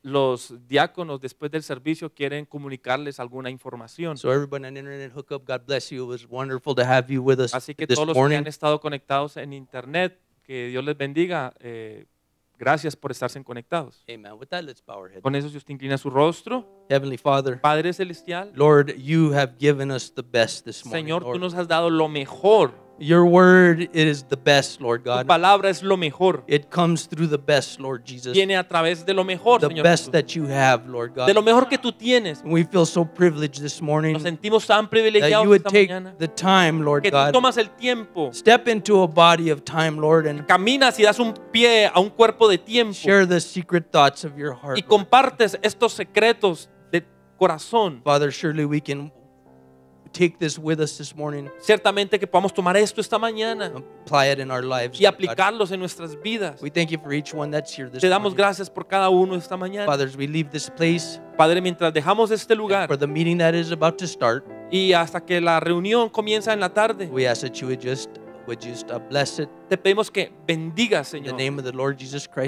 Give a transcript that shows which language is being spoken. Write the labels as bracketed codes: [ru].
[es] Los diáconos después del servicio quieren comunicarles alguna información. [en] So everyone on internet hookup, God bless you. It was wonderful to have you with us. [es] Así que todos los que han estado conectados en internet, que Dios les bendiga. Gracias por estarse conectados. [en] Amen. With that, let's bow our head. [es] Con eso, si usted inclina su rostro. [en] Heavenly Father. [es] Padre celestial. [en] Lord, you have given us the best this morning. [es] Señor, tú nos has dado lo mejor. [en] Your word it is the best, Lord God. [es] Tu palabra es lo mejor. [en] It comes through the best, Lord Jesus. [es] Viene a través de lo mejor, [en] the [es] Señor. [en] The best that you have, Lord God. [es] De lo mejor que tú tienes. [en] We feel so privileged this morning. [es] Nos sentimos tan privilegiados [en] that you would [es] esta [en] take [es] mañana. [en] The time, Lord [es] que [en] God. [es] Que tú tomas el tiempo. [en] Step into a body of time, Lord, and [es] caminas y das un pie a un cuerpo de tiempo. [en] Share the secret thoughts of your heart. [es] Y compartes estos secretos de corazón. [en] Father, surely we can take this with us this morning. [es] Ciertamente que podamos tomar esto esta mañana. [en] Apply it in our lives. [es] Y aplicarlos en nuestras vidas. [en] We thank you for each one that's here this morning. [es] Te damos gracias por cada uno esta mañana. [en] Father, as we leave this place. [es] Padre, mientras dejamos este lugar. [en] For the meeting that is about to start. [es] Y hasta que la reunión comienza en la tarde. [en] We ask that you would just bless it. [es] Te pedimos que bendiga, Señor. [en] In the name of the Lord Jesus Christ.